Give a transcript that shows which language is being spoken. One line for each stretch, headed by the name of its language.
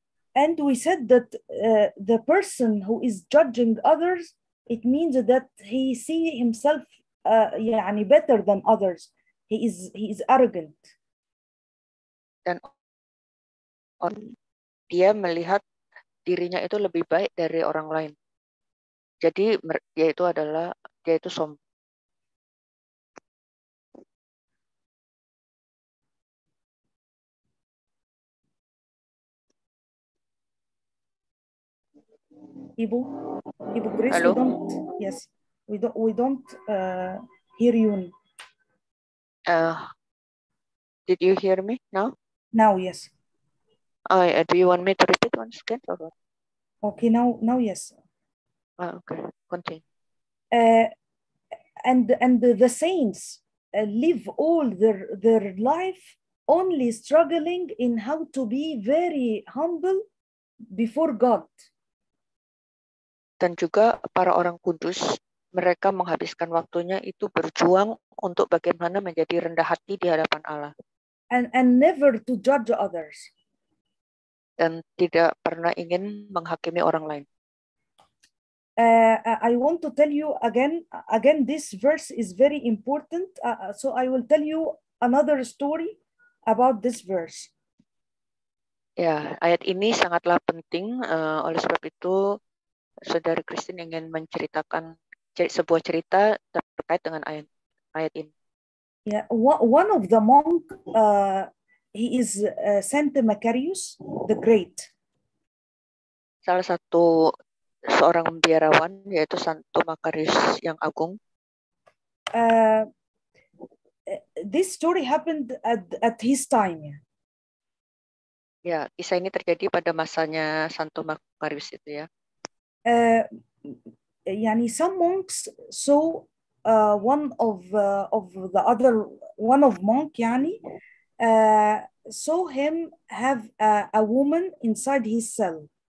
English: And we said that the person who is judging others, it means that he see himself yani better than others. He is arrogant.
Indonesian: Dan dia melihat dirinya itu lebih baik dari orang lain. Jadi dia itu adalah sombong.
English: Ibu Grace, hello? we don't hear you. Did you hear me now? Now yes. Do you want me to repeat once again or what? Okay, now yes. Okay, continue. And the saints live all their life only struggling in how to be very humble before God.
Indonesian: Dan juga para orang kudus, mereka menghabiskan waktunya itu berjuang untuk bagaimana menjadi rendah hati di hadapan Allah.
English: And never to judge others.
Indonesian: Dan tidak pernah ingin menghakimi orang lain.
English: I want to tell you again this verse is very important. So I will tell you another story about this verse.
Indonesian: Ya, ayat ini sangatlah penting. Oleh sebab itu, Saudara Kristen ingin menceritakan sebuah cerita terkait dengan ayat ini.
English: Yeah, one of the monk, he is Saint Macarius the Great.
Indonesian: Salah satu seorang biarawan yaitu Santo Makarius yang agung.
English: This story happened at his time.
Indonesian: Ya, yeah, kisah ini terjadi pada masanya Santo Makarius itu ya.
English: Yani some monks saw one of the monks yani saw him have a woman inside his cell.